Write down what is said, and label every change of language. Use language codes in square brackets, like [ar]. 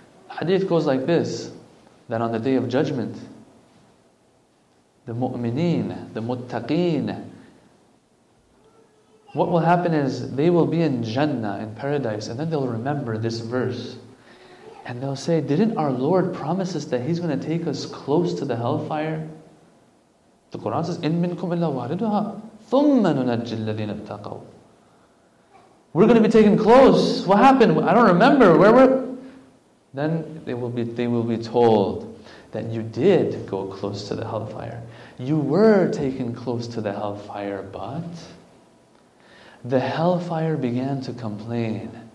[en] Hadith goes like this. That on the Day of Judgment, the mu'mineen, the muttaqeen, what will happen is they will be in Jannah, in paradise, and then they'll remember this verse. And they'll say, didn't our Lord promise us that He's going to take us close to the hellfire? The Quran says, [ar] إِن مِنْكُمْ إِلَّا وَارِدُهَا ثُمَّ نُنَجِّ الَّذِينَ اتَّقَوْا. [en] We're going to be taken close. What happened? I don't remember. Where were... Then they will be told that you did go close to the hellfire. You were taken close to the hellfire, but the hellfire began to complain.